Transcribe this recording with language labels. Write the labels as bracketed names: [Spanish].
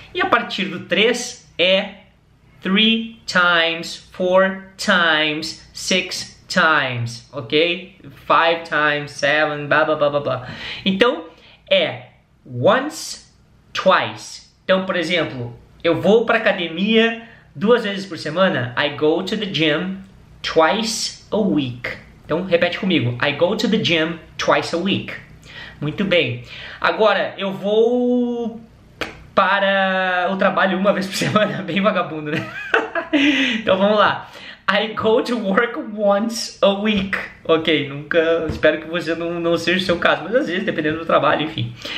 [Portuguese] E a partir do três é [English] three times, four times, six times, ok? Five times, seven, blá blá blá blá blá. Então é once, twice. [Portuguese] Então, por exemplo, eu vou para academia duas vezes por semana. [English] I go to the gym twice a week. [Portuguese] Então, repete comigo. [English] I go to the gym twice a week. [Portuguese] Muito bem. Agora, eu vou para o trabalho uma vez por semana. Bem vagabundo, né? Então, vamos lá. [English] I go to work once a week. [Portuguese] Ok, nunca. Espero que você não seja o seu caso, mas às vezes, dependendo do trabalho, enfim.